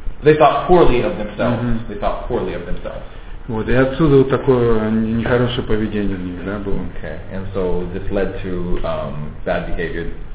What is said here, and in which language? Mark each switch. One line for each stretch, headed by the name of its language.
English: They thought poorly of themselves. Mm-hmm. They thought poorly of themselves.
Russian: Вот, и отсюда вот такое нехорошее поведение у них, да, было.
English: Okay. And so this led to bad behavior.